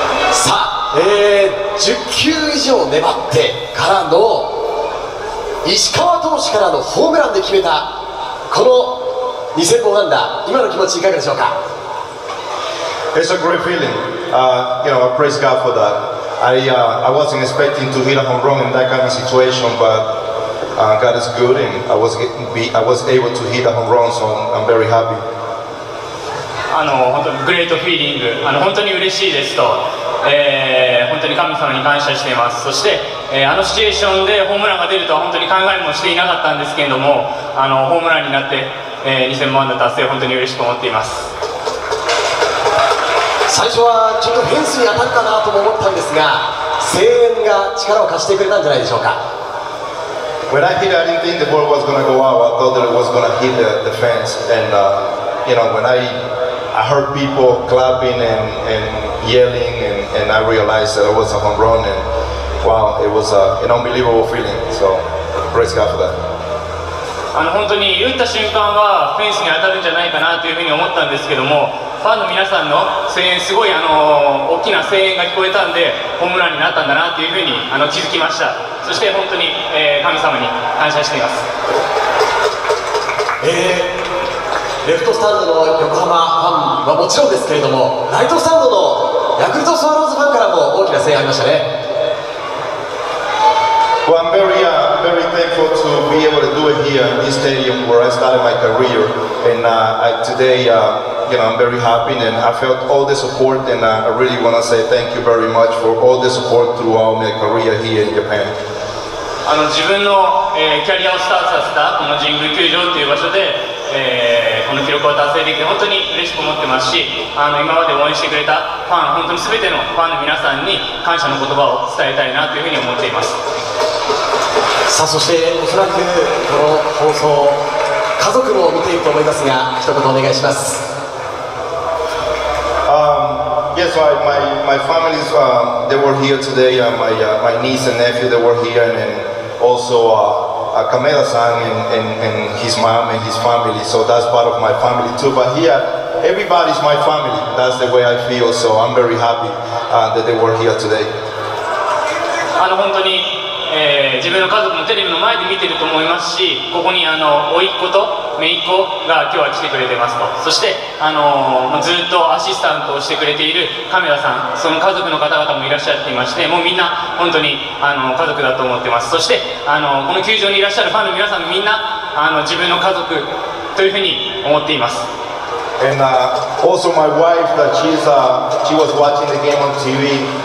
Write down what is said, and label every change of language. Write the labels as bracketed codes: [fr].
[ja] さあ、10球以上粘ってからの石川投手からのホームランで決めたこの2000本安打、今の気持ちいかがでしょうか。 [en] It's a great feeling. I praise God for that. I wasn't expecting to hit a home run in that kind of situation, but God is good, and I was able to hit a home run, so I'm very happy. Great feeling. [ja] 本当に嬉しいですと、本当に神様に感謝しています。そして、シチュエーションでホームランが出るとは本当に考えもしていなかったんですけれども、ホームランになって、2000本安打達成、本当に嬉しく思っています。最初はちょっとフェンスに当たるかなとも思ったんですが、声援が力を貸してくれたんじゃないでしょうか。 [en] When I hit it, I didn't think the ball was going to go out. I thought that it was going to hit the fence. And when I heard people clapping and yelling, and I realized that it was a home run. And wow, it was an unbelievable feeling. So praise God for that. [ja] 本当に打った瞬間はフェンスに当たるんじゃないかなというふうに思ったんですけども、ファンの皆さんの声援、すごい大きな声援が聞こえたんで、ホームランになったんだなというふうに気づきました。そして本当に、神様に感謝しています。レフトスタンドの横浜ファンはもちろんですけれども、ライトスタンドのヤクルトスワローズファンからも大きな声援ありましたね。 [en] Well, I'm very thankful to be able to do it here in this stadium where I started my career. And I'm very happy, and I felt all the support, and I really want to say thank you very much for all the support throughout my career here in Japan. [ja] 自分の、キャリアをスタートさせたこの神宮球場という場所で、この記録を達成できて本当に嬉しく思ってますし、今まで応援してくれたファン、本当に全てのファンの皆さんに感謝の言葉を伝えたいなというふうに思っています。さあ、そしておそらくこの放送、家族も見ていると思いますが、一言お願いします。 [en] Yes, my family is they were here today. My niece and nephew, they were here, and also Kameda-san and his mom and his family. So that's part of my family too. But here, everybody is my family. That's the way I feel. So I'm very happy that they were here today. [ja] 本当に、自分の家族もテレビの前で見てると思いますし、ここに甥っ子と姪っ子が今日は来てくれてますと、そして、ずっとアシスタントをしてくれているカメラさん、その家族の方々もいらっしゃっていまして、もうみんな本当に、家族だと思ってます。そして、この球場にいらっしゃるファンの皆さんみんな、自分の家族というふうに思っています。 [en] And also my wife, that she was watching the game on TV.